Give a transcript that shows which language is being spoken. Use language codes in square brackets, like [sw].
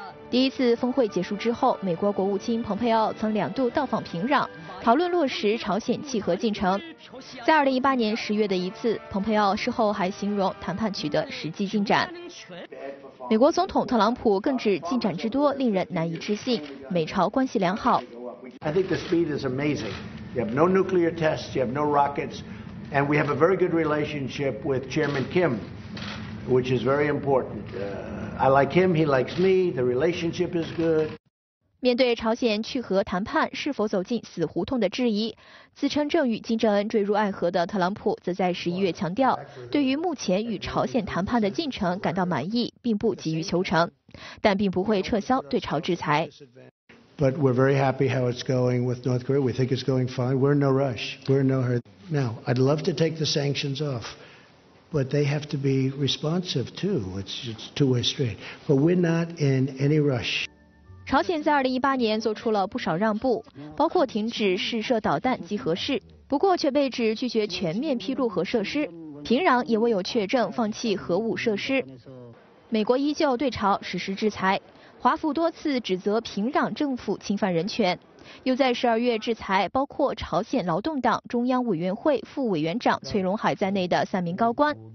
[zh] 第一次峰会结束之后，美国国务卿蓬佩奥曾两度到访平壤，讨论落实朝鲜弃核进程。在2018年10月的一次，蓬佩奥事后还形容谈判取得实际进展。美国总统特朗普更指进展之多令人难以置信，美朝关系良好。 [en] I think the speed is amazing. You have no nuclear tests, you have no rockets, and we have a very good relationship with Chairman Kim, which is very important. I like him, he likes me. The relationship is good. [zh] 面对朝鲜去核谈判是否走进死胡同的质疑，自称正与金正恩坠入爱河的特朗普则在11月强调，对于目前与朝鲜谈判的进程感到满意，并不急于求成，但并不会撤销对朝制裁。 [en] But we're very happy how it's going with North Korea. We think it's going fine. We're in no rush. We're in no hurry. Now, I'd love to take the sanctions off, but they have to be responsive too. It's two-way street. But we're not in any rush. [zh] 朝鲜在2018年做出了不少让步，包括停止试射导弹及核试，不过却被指拒绝全面披露核设施，平壤也未有确证放弃核武设施。美国依旧对朝实施制裁，华府多次指责平壤政府侵犯人权，又在12月制裁包括朝鲜劳动党中央委员会副委员长崔荣海在内的3名高官。